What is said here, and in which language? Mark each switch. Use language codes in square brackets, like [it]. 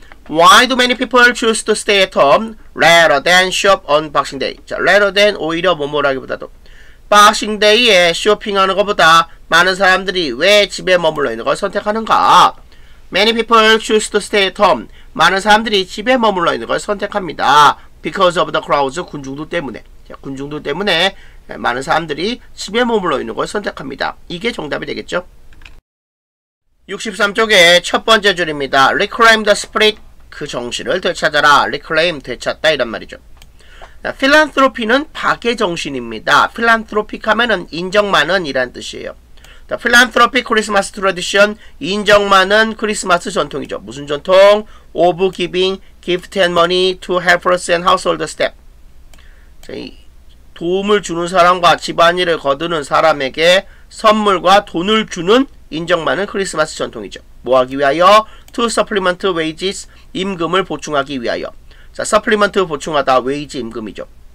[en] why do many people choose to stay at home rather than shop on boxing day? [ko] 자, rather than 오히려 머물라기보다도 박싱데이에 쇼핑하는 것보다 많은 사람들이 왜 집에 머물러 있는 걸 선택하는가? [en] Many people choose to stay at home. [ko] 많은 사람들이 집에 머물러 있는 걸 선택합니다. [en] Because of the crowds, [ko] 군중들 때문에. 자, 군중들 때문에 많은 사람들이 집에 머물러 있는 걸 선택합니다. 이게 정답이 되겠죠? 63쪽에 첫 번째 줄입니다. [en] Reclaim the spirit. [ko] 그 정신을 되찾아라. Reclaim, 되찾다 이런 말이죠. 자, philanthropy는 박의 정신입니다. philanthropic 하면은 인정만은 이란 뜻이에요. [en] The philanthropy Christmas tradition, [ko] 인정만은 크리스마스 전통이죠. 무슨 전통? [en] Of giving gift and money to helpers and household staff. [ko] 자, 이 도움을 주는 사람과 집안일을 거두는 사람에게 선물과 돈을 주는 인정만은 크리스마스 전통이죠. 뭐 하기 위하여? [en] To supplement wages, [ko] 임금을 보충하기 위하여. 자, supplement 보충하다, wage 임금이죠.